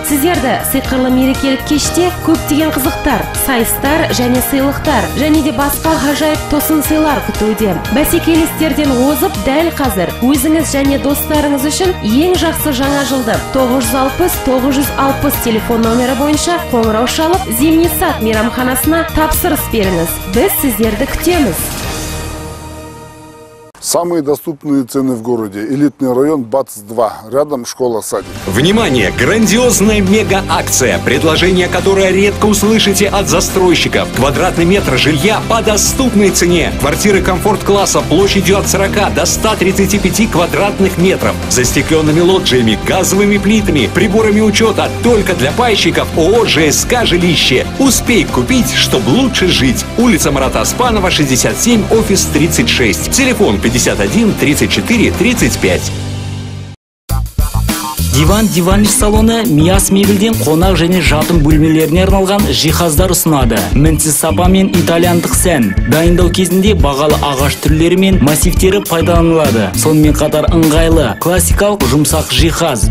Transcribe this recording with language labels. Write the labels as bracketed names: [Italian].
[Kazakh] Сіздерді сиқырлы мерекелік кеште көптеген қызықтар, сайыстар және сыйлықтар, және де басқа ғажайып тосын сыйлар күтуде. Бәсекелестерден озып дәл қазір өзіңіз және достарыңыз үшін ең жақсы жаңа жылды 960-960 телефон номері бойынша қоңырау шалып, Зейнесат мейрамханасына тапсырыс берді. Без сизерды к теме. [Russian] Самые доступные цены в городе. Элитный район БАЦ-2. Рядом школа-садик. Внимание! Грандиозная мега-акция, предложение которое редко услышите от застройщиков. Квадратный метр жилья по доступной цене. Квартиры комфорт-класса площадью от 40 до 135 квадратных метров. Застекленными лоджиями, газовыми плитами, приборами учета только для пайщиков ООО «ЖСК Жилище». Успей купить, чтобы лучше жить. Улица Марата Аспанова, 67, офис 36. Телефон 51-34-35. [Kazakh] Диван диваныш салоны Мияс мебельден қонақ және жатын бөлмелеріне арналған жиһаздар ұсынады. Мінсіз сапа мен итальяндық сән. Дайындау кезінде бағалы ағаш түрлері мен массивтері пайдаланылады. Сонымен қатар ыңғайлы, классикалық жұмсақ жиһаз.